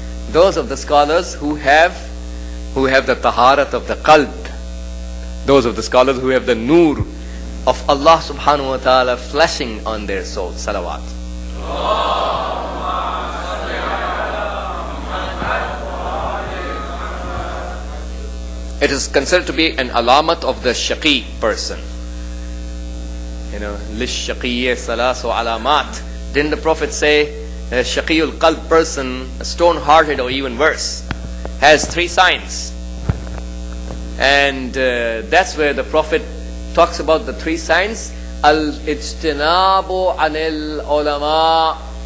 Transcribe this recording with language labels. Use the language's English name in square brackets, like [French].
[English] Those of the scholars who have the taharat of the qalb, those of the scholars who have the noor of Allah subhanahu wa ta'ala flashing on their soul. Salawat. It is considered to be an alamat of the shaqi person. You know, [Arabic] لِلشَّقِيِّ سَلَاسُ عَلَامَاتِ. [English] Didn't the Prophet say, a shaqiyul qalb person, a stone-hearted or even worse, has three signs. And that's where the Prophet talks about the three signs. [Arabic] Al-ijtinabu anil ulama.